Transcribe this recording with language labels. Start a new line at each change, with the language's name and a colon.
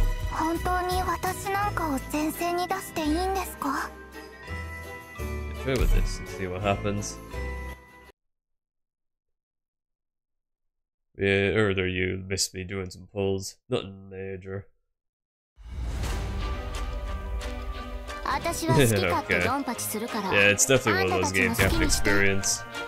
Japanese: 本当に私なんかを前線に出していいんですか?
English: Let's play with this and see what happens. Yeah, earlier you missed me doing some pulls. Nothing major.
Japanese: 私は好き勝手ドンパチするから。
English: Yeah, it's definitely one of those games you have to experience.